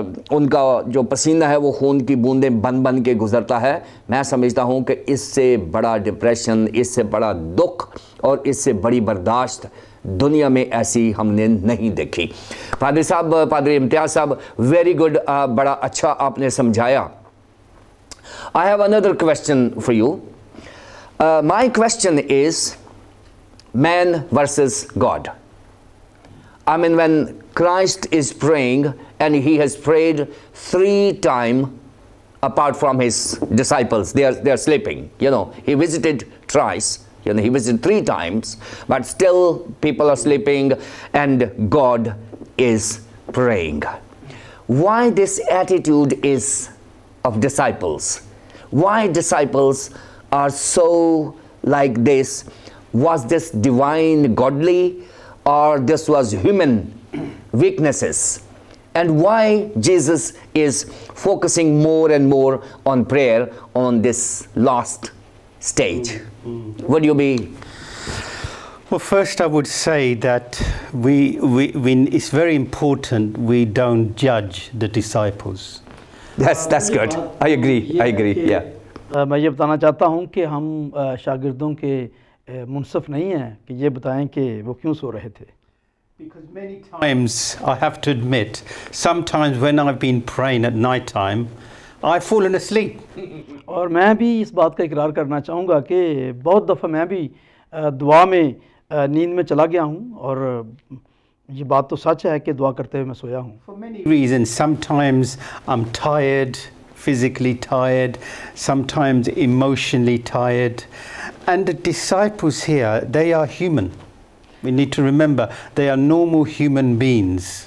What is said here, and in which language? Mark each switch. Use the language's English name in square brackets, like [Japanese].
[Urdu] ان کا جو پسینہ ہے وہ خون کی بوندیں بن بن کے گزرتا ہے میں سمجھتا ہوں کہ اس سے بڑا ڈپریشن اس سے بڑا دکھ اور اس سے بڑی برداشت دنیا میں ایسی ہم نے نہیں دیکھی پادری صاحب پادری امتیاز صاحب [English] very good [Urdu] بڑا اچھا آپ نے سمجھایا [English] I have another question for you. My question is man versus God. I mean when Christ is praying and he has prayed 3 times apart from his disciples, they are sleeping, you know, he visited thrice, you know, he visited 3 times, but still people are sleeping and God is praying. Why this attitude is of disciples? Why disciples are so like this? Was this divine godly or this was human weaknesses? And why Jesus is focusing more and more on prayer on this last stage? Would you be? Well, first I would say that we it's very important we don't judge the disciples. That's good. I agree. [Urdu] میں یہ بتانا چاہتا ہوں کہ ہم شاگردوں کے منصف نہیں ہیں کہ یہ بتائیں کہ وہ کیوں سو رہے تھے [English] Because many times I have to admit sometimes when I've been praying at night time I've fallen asleep [Urdu] اور میں بھی اس بات کا اقرار کرنا چاہوں گا کہ بہت دفعہ میں بھی دعا میں نیند میں چلا گیا ہوں اور یہ بات تو سچ ہے کہ دعا کرتے ہوئے میں سویا ہوں [English] For many reasons sometimes I'm tired physically tired, sometimes emotionally tired. And the disciples here, they are human. We need to remember, they are normal human beings.